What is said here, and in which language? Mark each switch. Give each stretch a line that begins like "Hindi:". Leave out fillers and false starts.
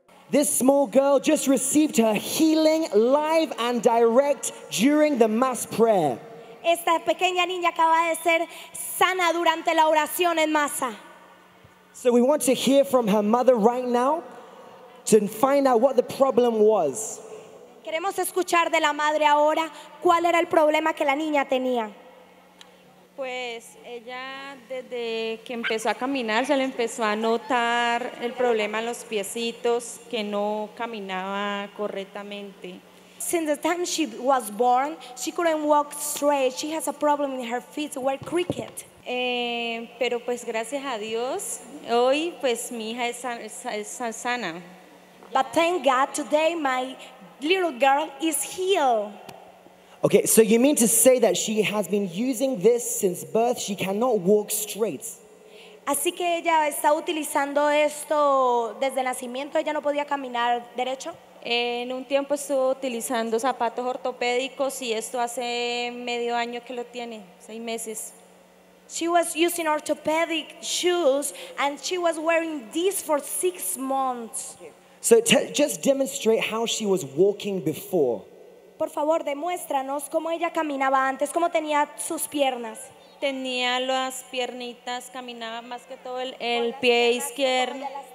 English: This small girl just received her healing live and direct during the mass prayer.
Spanish: Esta pequeña niña acaba de ser sana durante la oración en masa.
English: So we want to hear from her mother right now to find out what the problem was.
Spanish: Queremos escuchar de la madre ahora cuál era el problema que la niña tenía. Pues ella desde que empezó a caminar se le empezó a notar el problema en los piecitos que no caminaba correctamente.
English: Since the time she was born, she couldn't walk straight. She has a problem in her feet, were crooked.
Spanish: Pero pues gracias a Dios, hoy pues mi hija es sana.
English: But thank God, today my little girl is healed. Okay, so you mean to say that she has been using this since birth? She cannot walk straight.
Spanish: Así que ella está utilizando esto desde nacimiento. ¿Ella no podía caminar derecho? En un tiempo estuvo utilizando zapatos ortopédicos y esto hace medio año que lo tiene, 6 meses. She was using orthopedic shoes and she was wearing these for 6 months.
English: So just demonstrate how she was walking before.
Spanish: Por favor, demuéstranos cómo ella caminaba antes, cómo tenía sus piernas. Tenía las piernitas, caminaba más que todo el pie izquierdo.